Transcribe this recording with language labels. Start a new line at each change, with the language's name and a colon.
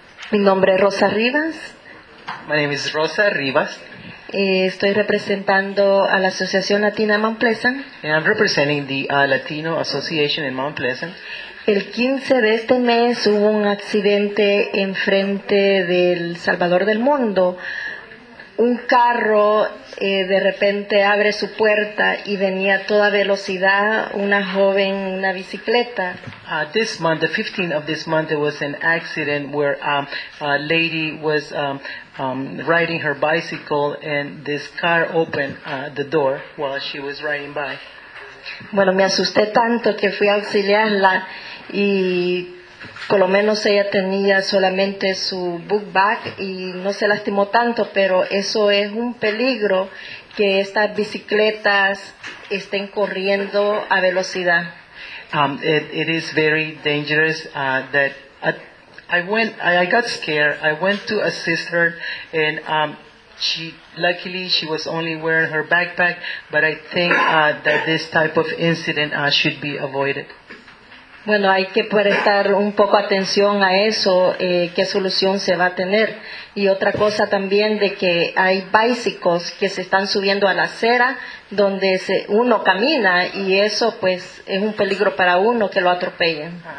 Spanish: Mi nombre es Rosa Rivas.
English: My name is Rosa Rivas.
Spanish: Estoy representando a la Asociación Latina de Mount Pleasant.
English: And I'm representing the Latino Association in Mount Pleasant.
Spanish: El 15 de este mes hubo un accidente en frente del Salvador del Mundo. Un carro de repente abre su puerta y venía a toda velocidad una joven en una bicicleta.
English: This month, the 15th of this month, there was an accident where a lady was riding her bicycle and this car opened the door while she was riding by.
Spanish: Bueno, me asusté tanto que fui a auxiliarla y por lo menos ella tenía solamente su book bag y no se lastimó tanto, pero eso es un peligro que estas bicicletas estén corriendo a velocidad.
English: It is very dangerous that I got scared. I went to assist her, and luckily she was only wearing her backpack, but I think that this type of incident should be avoided.
Spanish: Bueno, hay que prestar un poco atención a eso, qué solución se va a tener. Y otra cosa también de que hay bicycles que se están subiendo a la acera donde uno camina y eso pues es un peligro para uno que lo atropellen.